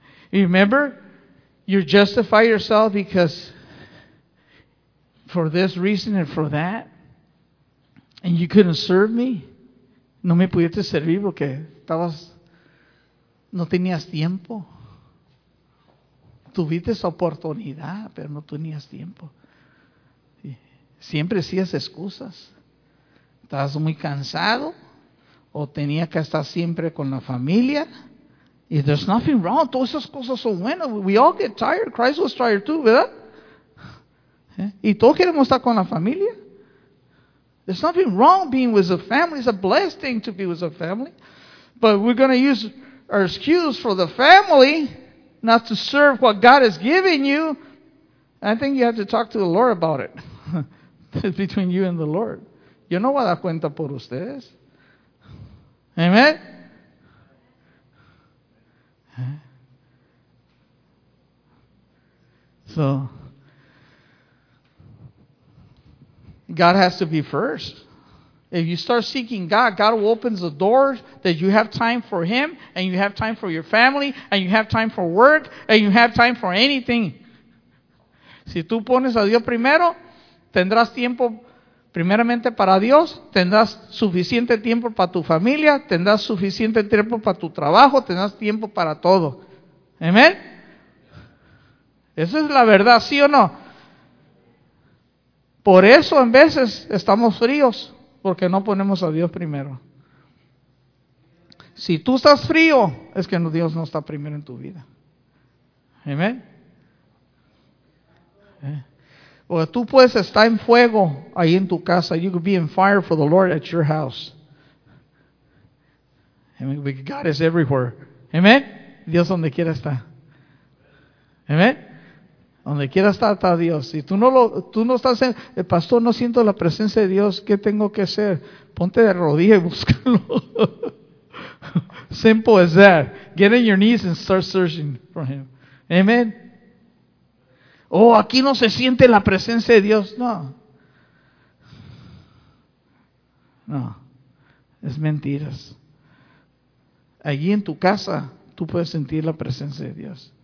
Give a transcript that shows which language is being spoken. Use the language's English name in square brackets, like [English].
[English] Remember, you justify yourself because for this reason and for that, and you couldn't serve me. [Spanish] No me pudiste servir porque estabas, no tenías tiempo. Tuviste esa oportunidad, pero no tenías tiempo. Siempre hacías excusas. Estabas muy cansado o tenía que estar siempre con la familia. [English] Y there's nothing wrong. [Spanish] Todas esas cosas son buenas. [English] We all get tired. Christ was tired too, ¿verdad? [Spanish] ¿Eh? Y todos queremos estar con la familia. [English] There's nothing wrong being with a family. It's a blessed thing to be with a family. But we're going to use our excuse for the family not to serve what God has given you. I think you have to talk to the Lord about it. It's between you and the Lord. [Spanish] Yo no voy a dar cuenta por ustedes. [English] Amen? So, God has to be first. If you start seeking God, God will open the door that you have time for Him, and you have time for your family, and you have time for work, and you have time for anything. [Spanish] Si tú pones a Dios primero, tendrás tiempo primeramente para Dios, tendrás suficiente tiempo para tu familia, tendrás suficiente tiempo para tu trabajo, tendrás tiempo para todo. ¿Amén? Esa es la verdad, ¿sí o no? Por eso en veces estamos fríos, porque no ponemos a Dios primero. Si tú estás frío, es que Dios no está primero en tu vida. ¿Amén? Porque tú puedes estar en fuego ahí en tu casa. [English] You could be in fire for the Lord at your house. God is everywhere. Amen. [Spanish] Dios donde quiera está. [English] Amen. [Spanish] Donde quiera está, está Dios. Si tú no lo, tú no estás en, el pastor, no siento la presencia de Dios. ¿Qué tengo que hacer? Ponte de rodilla y búscalo. [English] Simple as that. Get on your knees and start searching for Him. Amen. [Spanish] Oh, aquí no se siente la presencia de Dios. No. No. Es mentiras. Allí en tu casa, tú puedes sentir la presencia de Dios.